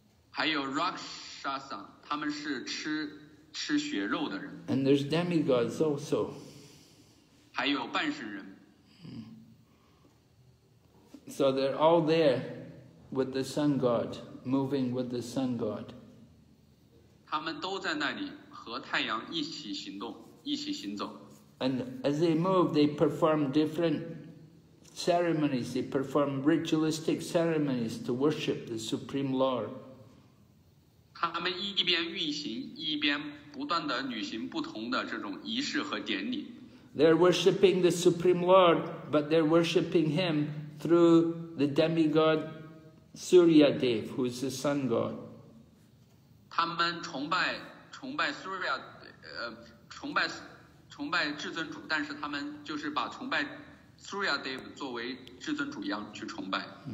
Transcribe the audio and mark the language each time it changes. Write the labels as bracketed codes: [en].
[zh] 还有 Rakshasa, 他们是吃血肉的人。 [en] And there's demigods also. [zh] 还有半神人。 [en] So they're all there with the sun god. Moving with the sun god. [zh] 他们都在那里和太阳一起行动，一起行走。 [en] And as they move, they perform different ceremonies. They perform ritualistic ceremonies to worship the supreme lord. [zh] 他们一边运行，一边不断地履行不同的这种仪式和典礼。 [en] They're worshiping the supreme lord, but they're worshiping him through the demigod. Surya Dev, who is the sun god. [zh] 他们崇拜 Surya, 崇拜至尊主，但是他们就是把崇拜 Surya Dev 作为至尊主一样去崇拜。